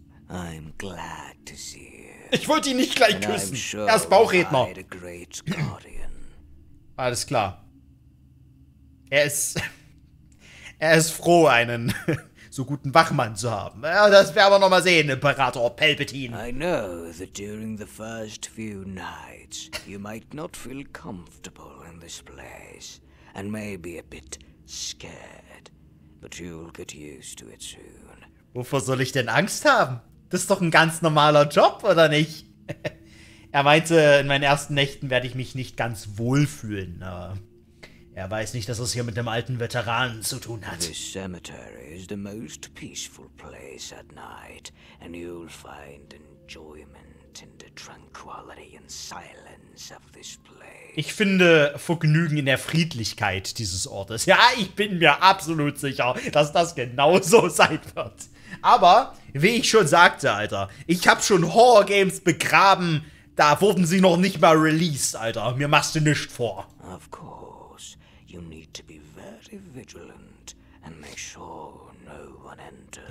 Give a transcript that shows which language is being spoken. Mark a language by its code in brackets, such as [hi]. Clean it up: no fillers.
[en] I'm glad to see you. [de] Ich wollte ihn nicht gleich küssen. [en] Sure, [de] er ist Bauchredner. [en] I'm the great guardian. [de] Alles klar. Er ist froh, einen so guten Wachmann zu haben. Ja, das werden wir noch mal sehen, Imperator Palpatine. [en] I know that during the first few nights you might not feel comfortable in this place and may be a bit scared, but you'll get used to it soon. [de] Wovor soll ich denn Angst haben? Das ist doch ein ganz normaler Job, oder nicht? Er meinte, in meinen ersten Nächten werde ich mich nicht ganz wohlfühlen, aber er weiß nicht, dass es hier mit dem alten Veteranen zu tun hat. [en] This cemetery is the most peaceful place at night, and you'll find enjoyment in the tranquility and silence of this place. [de] Ich finde Vergnügen in der Friedlichkeit dieses Ortes. Ja, ich bin mir absolut sicher, dass das genauso sein wird. Aber, wie ich schon sagte, Alter, ich habe schon Horrorgames begraben, da wurden sie noch nicht mal released, Alter. Mir machst du nichts vor. [en] Of course. You need to be very vigilant and make sure no one enters.